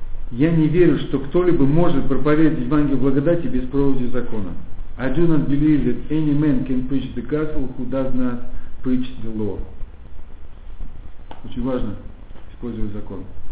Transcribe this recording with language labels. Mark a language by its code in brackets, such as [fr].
[ru] Я не верю, что кто-либо может проповедовать Евангелие благодати без проповеди закона. [en] I do not believe that any man can preach the gospel who does not preach the law. [ru] Очень важно использовать закон.